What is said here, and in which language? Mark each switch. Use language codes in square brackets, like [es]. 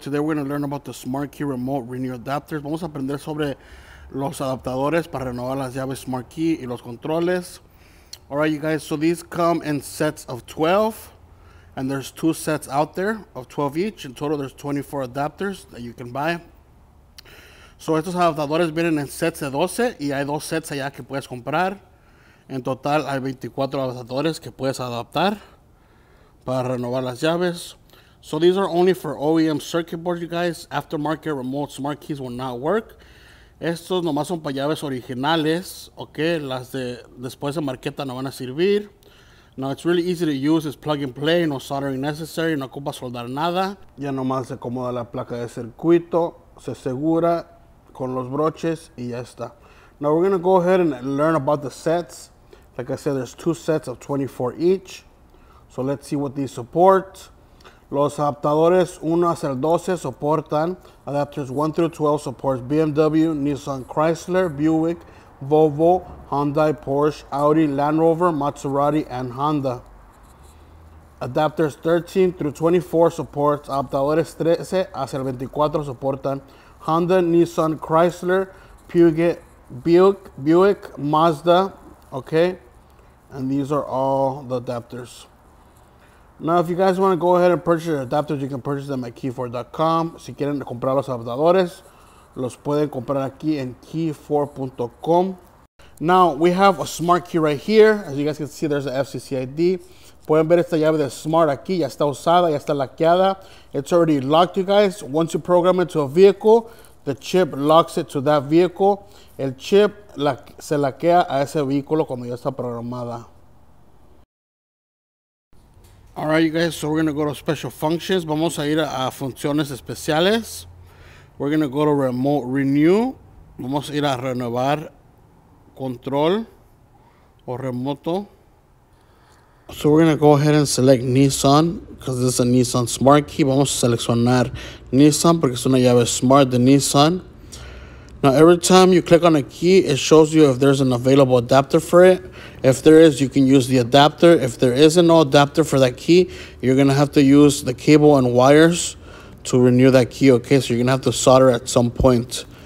[en] Today we're going to learn about the Smart Key Remote Renew Adapters. [es] Vamos a aprender sobre los adaptadores para renovar las llaves Smart Key y los controles. [en] All right, you guys, so these come in sets of 12, and there's two sets out there of 12 each. In total, there's 24 adapters that you can buy. [es] So estos adaptadores vienen en sets de 12, y hay dos sets allá que puedes comprar. En total, hay 24 adaptadores que puedes adaptar para renovar las llaves. [en] So these are only for OEM circuit boards, you guys. Aftermarket remote smart keys will not work. [es] Estos nomás son para llaves originales, [en] okay? [es] Las de después de marqueta no van a servir. [en] Now it's really easy to use. It's plug and play, no soldering necessary, [es] no ocupa soldar nada. Ya nomás se acomoda la placa de circuito, se asegura con los broches y ya está. [en] Now we're gonna go ahead and learn about the sets. Like I said, there's two sets of 24 each. So let's see what these support. [es] Los adaptadores 1 hasta el 12 soportan. [en] Adapters 1 through 12 supports BMW, Nissan, Chrysler, Buick, Volvo, Hyundai, Porsche, Audi, Land Rover, Maserati, and Honda. Adapters 13 through 24 supports. [es] Adaptadores 13 hasta el 24 soportan. [en] Honda, Nissan, Chrysler, Puget, Buick, Mazda, okay? And these are all the adapters. Now, if you guys want to go ahead and purchase your adapters, you can purchase them at key4.com. [es] Si quieren comprar los adaptadores, los pueden comprar aquí en key4.com. [en] Now, we have a smart key right here. As you guys can see, there's an FCC ID. [es] Pueden ver esta llave de smart aquí. Ya está usada, ya está laqueada. [en] It's already locked, you guys. Once you program it to a vehicle, the chip locks it to that vehicle. [es] El chip se laquea a ese vehículo cuando ya está programada. [en] All right, you guys, so we're gonna go to special functions. [es] Vamos a ir a funciones especiales. [en] We're gonna go to remote renew. [es] Vamos a ir a renovar control o remoto. [en] So we're gonna go ahead and select Nissan because this is a Nissan smart key. [es] Vamos a seleccionar Nissan porque es una llave smart de Nissan. [en] Now, every time you click on a key, it shows you if there's an available adapter for it. If there is, you can use the adapter. If there isn't no adapter for that key, you're going to have to use the cable and wires to renew that key, okay? So you're going to have to solder at some point.